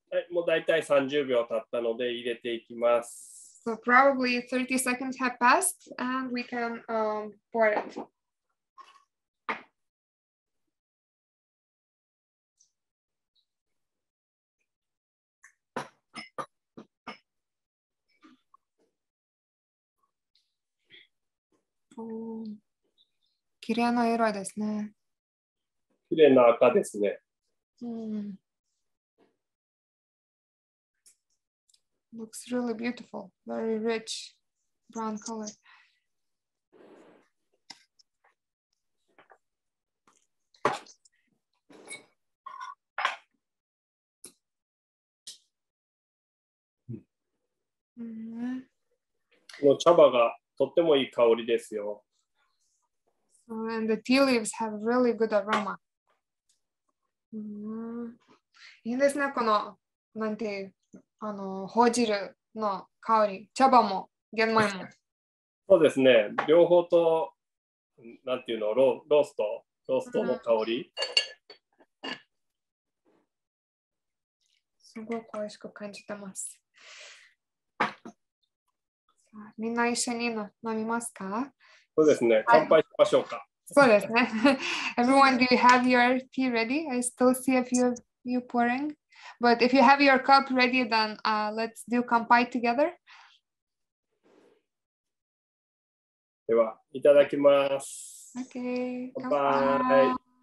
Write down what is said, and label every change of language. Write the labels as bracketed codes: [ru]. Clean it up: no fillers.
[ja] もうだいたい30秒経ったので入れていきます。 [en] So probably 30 seconds have passed and we can pour it. [ja] おー、綺麗な色ですね。綺麗な赤ですね。うん。 [en] Looks really beautiful, very rich brown color. [ja] この茶葉がとってもいい香りですよ。 [en] And the tea leaves have really good aroma. [ja] いいですね、このなんていう。ほうじるの香り、茶葉も玄米も。そうですね、両方と、なんていうの、ローストの香り。すごくおいしく感じてます。さあ、みんな一緒に飲みますか？そうですね、乾杯しましょうか。そうですね。 [en] Everyone, do you have your tea ready? I still see a few of you pouring. But if you have your cup ready, then let's do kanpai together. [ja] では、いただきます。 [en] Okay, kanpai.